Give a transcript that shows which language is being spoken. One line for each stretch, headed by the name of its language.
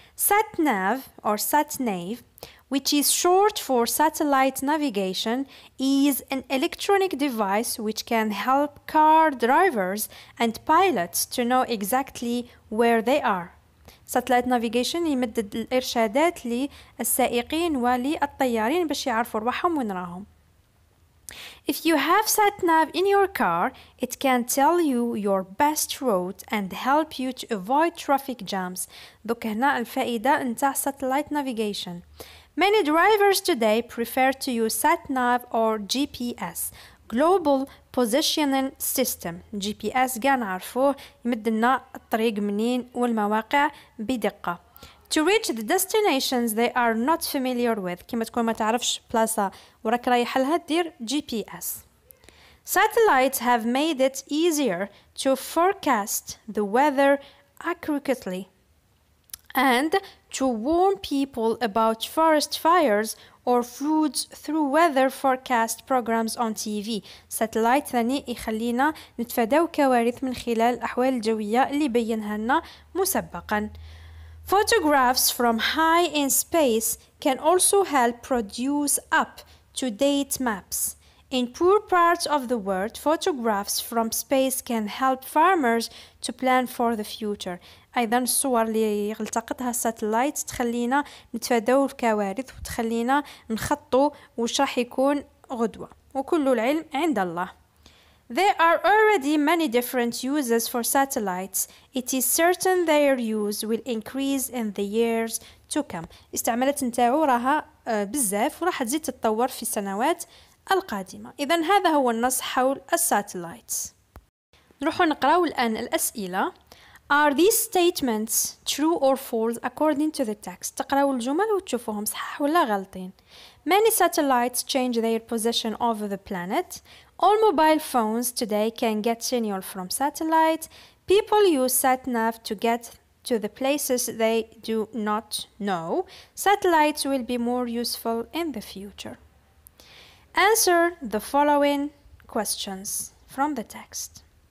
English: Sat nav or sat nav, which is short for satellite navigation, is an electronic device which can help car drivers and pilots to know exactly where they are.
Arabic: ساتلايت نافيغيشن يمدد الإرشادات للسائقين وللطيارين باش يعرفوا رواحهم وين راهم.
English: If you have sat nav in your car, it can tell you your best route and help you to avoid traffic jams.
Arabic: دوك هنا الفائدة نتاع ساتلايت نافيغيشن.
English: Many drivers today prefer to use sat nav or GPS.
Arabic: Global Positioning System GPS كاع نعرفوه، يمد لنا الطريق منين والمواقع بدقة. To reach the destinations they are not familiar with، كما تكون ما تعرفش بلاصة وراك رايح لها دير GPS.
English: Satellites have made it easier to forecast the weather accurately and to warn people about forest fires or floods through weather forecast programs on TV.
Arabic: ساتلايت ثاني يخلينا نتفادوا كوارث من خلال الأحوال الجوية اللي بينها لنا مسبقا.
English: Photographs from high in space can also help produce up to date maps. In poor parts of the world, photographs from space can help farmers to plan for the future.
Arabic: أيضا الصور اللي التقطها الساتلايت تخلينا نتفادوا الكوارث وتخلينا نخطو وش راح يكون غدوة، وكل العلم عند الله.
English: There are already many different uses for satellites. It is certain their use will increase in the years to come.
Arabic: استعمالات نتاعو راها بزاف وراح تزيد تتطور في السنوات القادمة. إذا هذا هو النص حول الساتلايت. نروحو نقراو الآن الأسئلة.
English: Are these statements true or false according to the text?
Arabic: تقرأوا الجمل وتشوفوهم صحيح ولا غلطين.
English: Many satellites change their position over the planet. All mobile phones today can get signal from satellite. People use sat nav to get to the places they do not know. Satellites will be more useful in the future. Answer the following questions from the text.